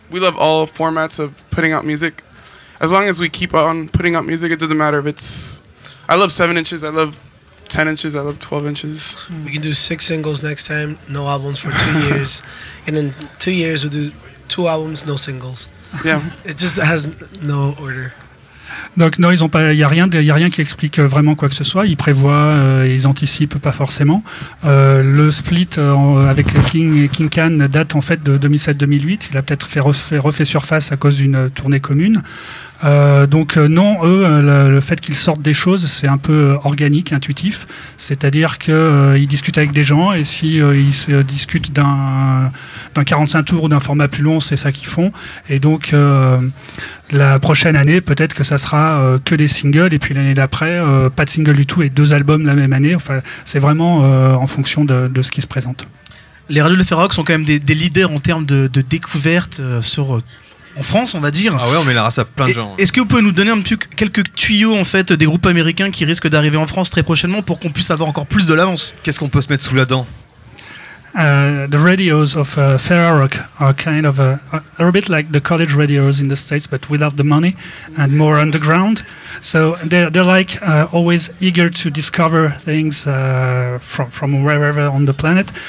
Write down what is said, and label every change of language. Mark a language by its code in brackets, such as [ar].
[en] we love all formats of putting out music. As long as we keep on putting out music, it doesn't matter if it's... I love 7 inches, I love 10 inches, I love 12 inches. We can do 6 singles next time, no albums for 2 years. And in 2 years, we'll do 2 albums, no singles. Yeah. It just has no order. [fr] Donc non, ils ont pas, y a rien qui explique vraiment quoi que ce soit. Ils prévoient, ils anticipent pas forcément. Le split avec King et King Khan date en fait de 2007-2008. Il a peut-être refait surface à cause d'une tournée commune. Donc non, eux, le fait qu'ils sortent des choses, c'est un peu organique, intuitif. C'est-à-dire qu'ils discutent avec des gens et si ils se discutent d'un 45 tours ou d'un format plus long, c'est ça qu'ils font. Et donc la prochaine année, peut-être que ça sera que des singles et puis l'année d'après, pas de singles du tout et 2 albums la même année. Enfin, c'est vraiment en fonction de ce qui se présente. Les Radio Le Ferroc sont quand même des leaders en termes de découverte sur. En France, on va dire. Ah ouais, on met la race à plein de gens. Est-ce que vous pouvez nous donner quelques tuyaux en fait des groupes américains qui risquent d'arriver en France très prochainement pour qu'on puisse avoir encore plus de l'avance? Qu'est-ce qu'on peut se mettre sous la dent? [en] The radios of Ferrarock are kind of a bit like the college radios in the States, but without the money and more underground. So they're like always eager to discover things from wherever on the planet.